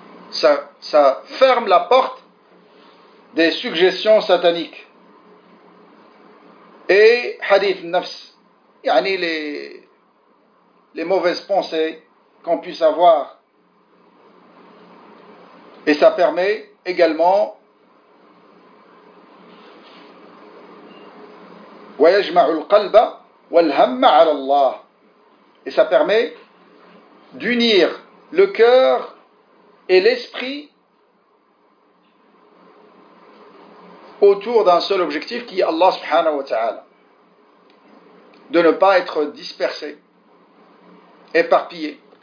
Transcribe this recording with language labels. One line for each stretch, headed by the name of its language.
French: Ça ferme la porte des suggestions sataniques. Et hadith nafs,
Arabic: yani
French: les mauvaises pensées qu'on puisse avoir. Et ça permet également
Arabic: وَيَجْمَعُ الْقَلْبَ وَالْهَمَّ عَلَى اللَّهِ.
French: Et ça permet d'unir le cœur et l'esprit autour d'un seul objectif qui est Allah subhanahu wa ta'ala. De ne pas être dispersé, éparpillé.